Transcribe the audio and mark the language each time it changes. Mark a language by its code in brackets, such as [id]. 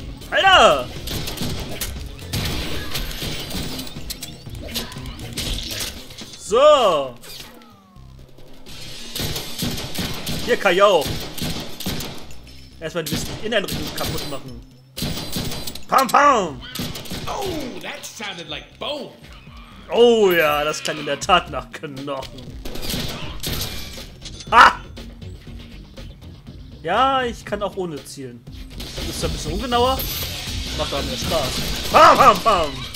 [de] Alter! So! Hier, Kajau! Erstmal ein bisschen Inneneinrichtung kaputt machen. Pam, pam! [en] Oh, that sounded like bone! [de] Oh ja, das klingt in der Tat nach Knochen. Ha! Ja, ich kann auch ohne zielen. Ist ein bisschen ungenauer. Macht aber mehr Spaß. Pam, pam, pam!